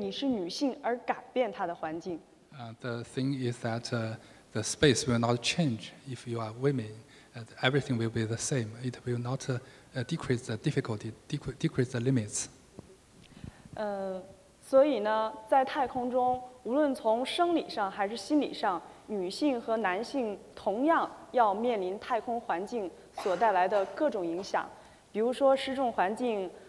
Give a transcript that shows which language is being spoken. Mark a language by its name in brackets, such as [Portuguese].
[Chinese] 我觉得太空不会因为女性的到来而降低它的门槛，也不会因为你是女性而改变它的环境。 [English] The thing is that the space will not change if you are women. Everything will be the same. It will not decrease the difficulty, decrease the limits. [Chinese] 所以呢，在太空中，无论从生理上还是心理上，女性和男性同样要面临太空环境所带来的各种影响，比如说失重环境、